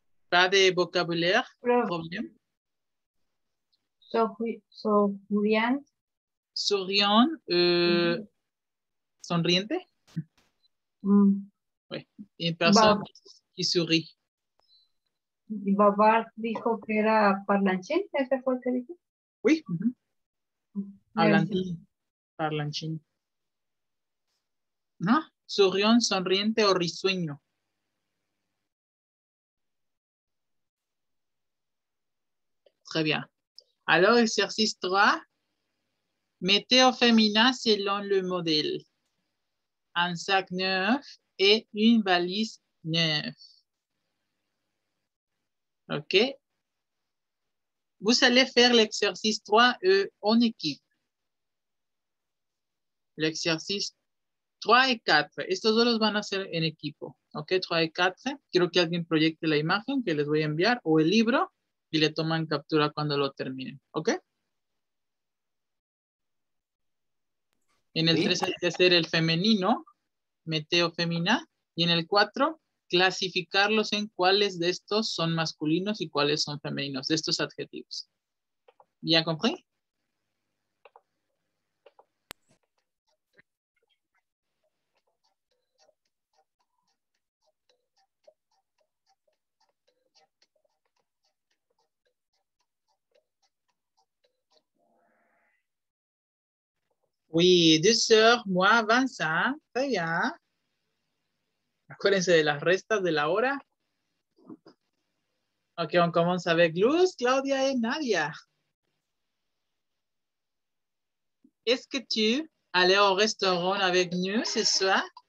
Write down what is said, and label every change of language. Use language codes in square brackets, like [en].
[fr] Pas de vocabulaire, prof. Problème. Souriant. [es] Sonriente. [fr] Oui, une personne qui sourit. [es] Bavard dijo que era parlanchín, ¿ese fue lo que dijo? Oui. Mm-hmm. Hablantín, parlanchín. ¿No? Souriant, sonriente o risueño. [fr] Très bien. Alors, exercice 3. Mettez au féminin selon le modèle. Un sac neuf et une valise neuve. OK. Vous allez faire l'exercice 3 en équipe. L'exercice 3 et 4. [es] Estos dos los van a hacer en equipo. OK, 3 y 4. Quiero que alguien proyecte la imagen que les voy a enviar o el libro y le toman captura cuando lo terminen. OK. En el 3 hay que hacer el femenino, meteo femina. Y en el 4, clasificarlos en cuáles de estos son masculinos y cuáles son femeninos, de estos adjetivos. ¿Ya compré? [fr] Oui, deux sœurs, moi, Vincent, très bien. [es] Acuérdense de las restas de la hora. [fr] Ok, on commence avec Luz, Claudia y Nadia. ¿Est-ce que tu allais au restaurant avec nous ce soir?